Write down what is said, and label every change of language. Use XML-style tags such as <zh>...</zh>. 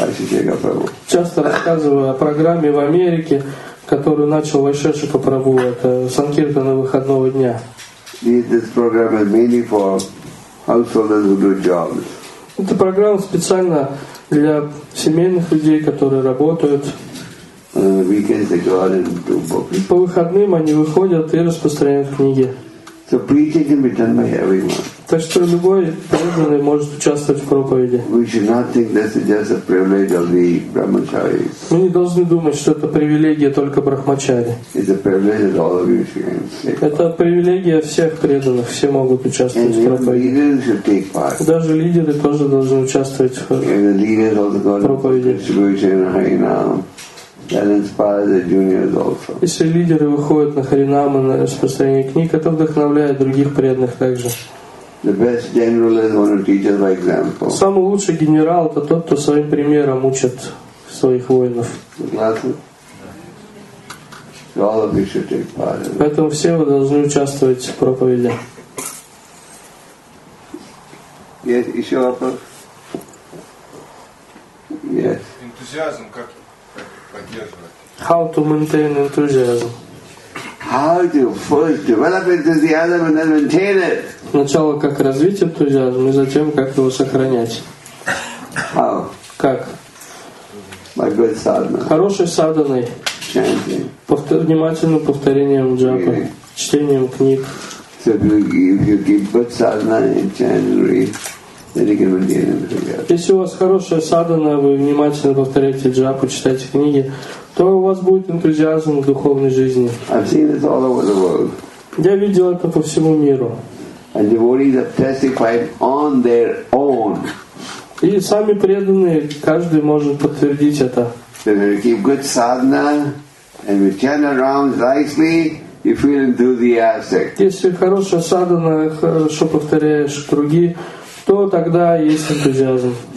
<ru>Я часто рассказываю о программе в Америке, которую начал Вайшнава Шика Прабу, это санкиртана выходного дня.</ru> <en>This program is mainly for householders who do jobs.</en> <ru>Эта программа специально для семейных людей, которые работают. По выходным они выходят и распространяют книги.</ru> <en>So preaching can be done by everyone.</en> <ru>Так что любой преданный может участвовать в проповеди.</ru> <en>We should not think this is just a privilege of the brahmacharis.</en> <ru>Мы не должны думать, что это привилегия только брахмачари.</ru> <en>It's a privilege of all of you, if you can say.</en> <ru>Это привилегия всех преданных, все могут участвовать</ru> <en>and</en> <ru>в проповеди.</ru> <en>And leaders should take part.</en> <ru>Даже лидеры тоже должны участвовать в</ru> <en>and the leaders also</en> <ru>проповеди.</ru> <en>Distribution, now. That inspires the juniors also.</en> <ru>Если лидеры выходят на харинамы, на распространение книг, это вдохновляет других преданных также.</ru> <en>The best general is one who teaches by example.</en> <ru>Самый лучший генерал — это тот, кто своим примером учит своих воинов. Согласны?</ru> <en>All of you should take part in it.</en> <ru>Поэтому все вы должны участвовать в проповеди.</ru> <en>Yes,</en> <ru>еще вопрос?</ru> <en>Yes.</en> <ru>Энтузиазм как поддерживать.</ru> <en>How to maintain enthusiasm? How to first develop enthusiasm and then maintain it?</en> <ru>Сначала как развить энтузиазм, и затем как его сохранять.</ru> <en>How?</en> <ru>Как?</ru> <en>By good sadhana.</en> <ru>Хорошей садханой.</ru> <en>Chanting.</en> <ru>Внимательным повторением джапы, чтением книг.</ru> <en>So if you keep good sadhana and chant and read.</en> <ru>Если у вас хорошая садхана, вы внимательно повторяете джапу, читаете книги, то у вас будет энтузиазм в духовной жизни.</ru> <en>I've seen this all over the world.</en> <ru>Я видел это по всему миру.</ru> <en>And devotees have testified on their own.</en> <ru>И сами преданные, каждый может подтвердить это.</ru> <en>So if you keep good sadhana and you turn around nicely, you feel enthusiastic.</en> <ru>Если хорошая садхана, хорошо повторяешь круги, то тогда есть энтузиазм.</ru>